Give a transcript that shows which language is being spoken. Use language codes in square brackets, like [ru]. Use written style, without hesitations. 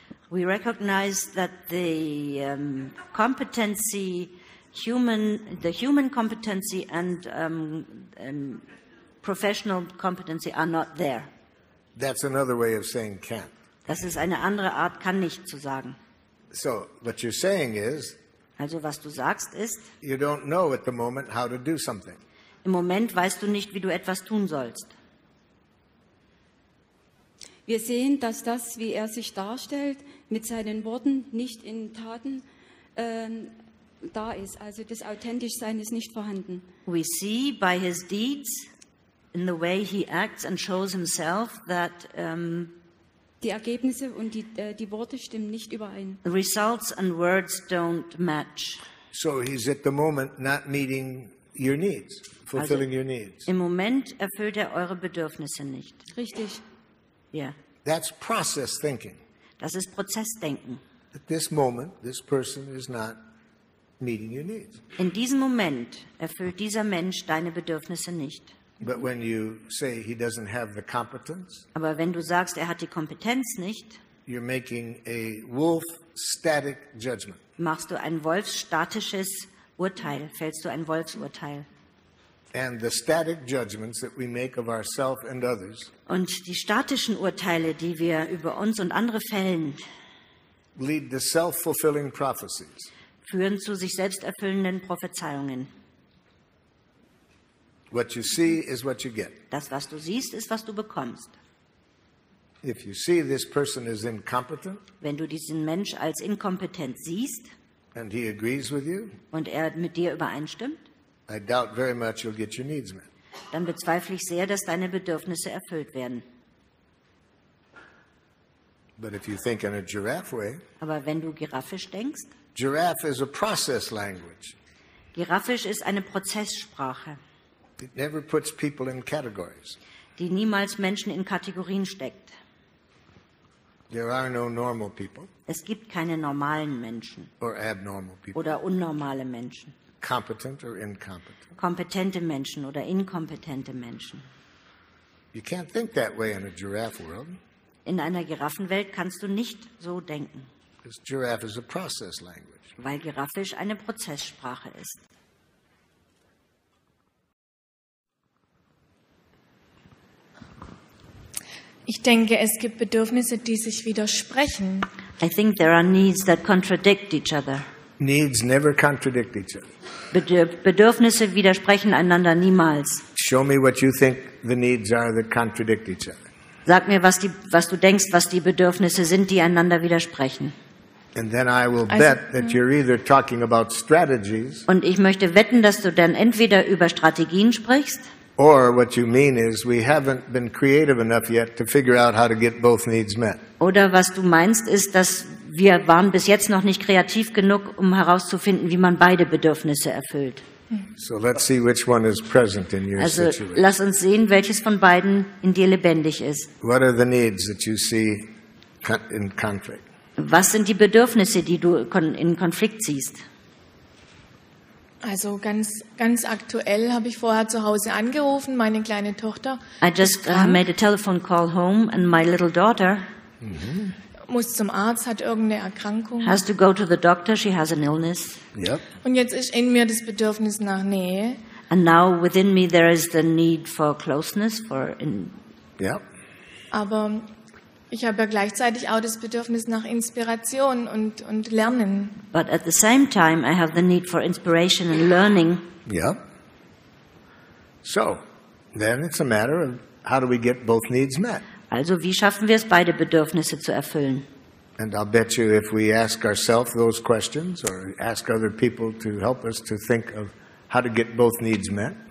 [en] We recognize that the competency, human competency and professional competency are not there. That's another way of saying can't. [de] Das ist eine andere Art, kann nicht zu sagen. [en] So what you're saying is, [de] also was du sagst ist, [en] you don't know at the moment how to do something. [de] Im Moment weißt du nicht, wie du etwas tun sollst. Wir sehen, dass das, wie er sich darstellt, mit seinen Worten nicht in Taten da ist. Also das Authentischsein ist nicht vorhanden. [en] We see by his deeds, in the way he acts and shows himself, that [de] die Ergebnisse und die Worte stimmen nicht überein. [en] Results and words don't match. So he's at the moment not meeting your needs, fulfilling also, your needs. [de] Im Moment erfüllt eure Bedürfnisse nicht. Richtig. [en] Yeah. That's process thinking. [de] Das ist Prozessdenken. [en] At this moment, this person is not meeting your needs. [de] In diesem Moment erfüllt dieser Mensch deine Bedürfnisse nicht. [en] But when you say he doesn't have the competence, [de] aber wenn du sagst, hat die Kompetenz nicht, [en] you're making a wolf-static judgment. [de] Machst du ein wolfsstatisches Urteil, fällst du ein Wolfsurteil. [en] And the static judgments that we make of ourselves and others, [de] und die statischen Urteile, die wir über uns und andere fällen, [en] lead to self-fulfilling prophecies, [de] führen zu sich selbst erfüllenden Prophezeiungen. [en] What you see is what you get. [de] Das, was du siehst, ist, was du bekommst. [en] If you see this person as incompetent, [de] wenn du diesen Mensch als inkompetent siehst, [en] and he agrees with you, [de] und mit dir übereinstimmt, [en] I doubt very much you'll get your needs met. [de] Dann bezweifle ich sehr, dass deine Bedürfnisse erfüllt werden. [en] But if you think in a giraffe way, [de] aber wenn du giraffisch denkst, [en] giraffe is a process language. [de] Giraffisch ist eine Prozesssprache. [en] It never puts people in categories. [de] Die niemals Menschen in Kategorien steckt. [en] There are no normal people. [de] Es gibt keine normalen Menschen. [en] Or abnormal people. [de] Oder unnormale Menschen. [en] Competent or incompetent. [de] Kompetente Menschen oder inkompetente Menschen. [en] You can't think that way in a giraffe world. [de] In einer Giraffenwelt kannst du nicht so denken. [en] Because giraffe is a process language. [de] Weil giraffisch eine Prozesssprache ist. Ich denke, es gibt Bedürfnisse, die sich widersprechen. [en] I think there are needs that contradict each other. Needs never contradict each other. [de] Bedürfnisse widersprechen einander niemals. [en] Show me what you think the needs are that contradict each other. [de] Sag mir, was du denkst, was die Bedürfnisse sind, die einander widersprechen. [en] And then I will bet that you're either talking about strategies. [de] Und ich möchte wetten, dass du dann entweder über Strategien sprichst. [en] Or what you mean is we haven't been creative enough yet to figure out how to get both needs met. [de] Oder was du meinst ist, dass wir waren bis jetzt noch nicht kreativ genug, um herauszufinden, wie man beide Bedürfnisse erfüllt. [en] So let's see which one is present in your [de] also, [en] situation. [de] Also lass uns sehen, welches von beiden in dir lebendig ist. [en] What are the needs that you see in conflict? [de] Was sind die Bedürfnisse, die du in Konflikt siehst? Also ganz aktuell habe ich vorher zu Hause angerufen, meine kleine Tochter. [en] I just made a telephone call home and my little daughter [de] muss zum Arzt, hat irgendeine Erkrankung. [en] Has to go to the doctor, she has an illness. Yep. [de] Und jetzt ist in mir das Bedürfnis nach Nähe. [en] And now within me there is the need for closeness, for in. Yep. [de] Aber ich habe ja gleichzeitig auch das Bedürfnis nach Inspiration und Lernen. [en] But at the same time I have the need for inspiration and learning. Yep. So, then it's a matter of how do we get both needs met? [de] Also, wie schaffen wir es, beide Bedürfnisse zu erfüllen? [en] And I'll bet you if we ask ourselves those questions or ask other people to help us to think of how to get both needs met.